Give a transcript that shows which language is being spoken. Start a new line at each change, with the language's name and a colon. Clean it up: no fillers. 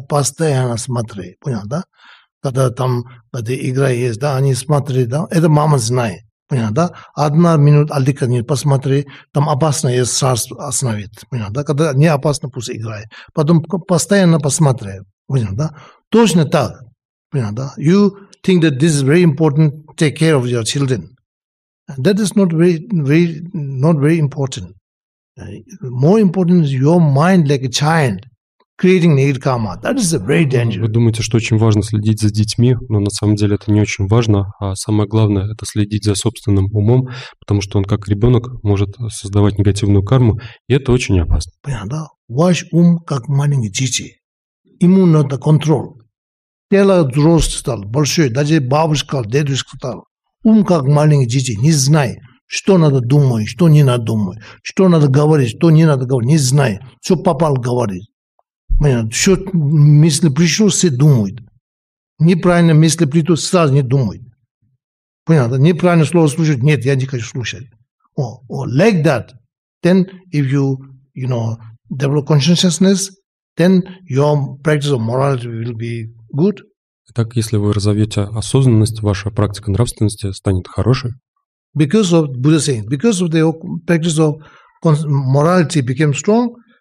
Russian: Постоянно смотри, понял, да? Когда там где игра есть, да, они смотрят, да? Это мама знает, понял, да? Одна минута отдыхает, посмотри, там опасно, я сразу остановит, понял, да? Когда не опасно, пусть играет. Потом постоянно посмотри, понял, да? Точно так, понял, да?
English: You think that this is very important, take care of your children. That is not very, very, not very important. More important is your mind like a child. Creating negative karma. That is very dangerous.
Russian: Вы думаете, что очень важно следить за детьми, но на самом деле это не очень важно. А самое главное – это следить за собственным умом, потому что он как ребенок может создавать негативную карму, и это очень опасно. Понятно, да? Ваш ум как маленький дети. Ему надо контроль. Тело взрослый стал, большой, даже бабушка, дедушка стал. Ум как маленький дети, не знай, что надо думать, что не надо думать, что надо говорить, что не надо говорить, не знай. Все попало говорить. Все мысли пришло, все думают. Неправильно мысли придут, сразу не думают. Понятно? Неправильно слово слушают, нет, я не хочу слушать.
English: Like that, then if you, you know, develop consciousness, then your practice of morality will be good.
Russian: Итак, если вы разовьете осознанность, ваша практика нравственности станет хорошей?
English: Because of, Buddha saying, because of the practice of morality became strong,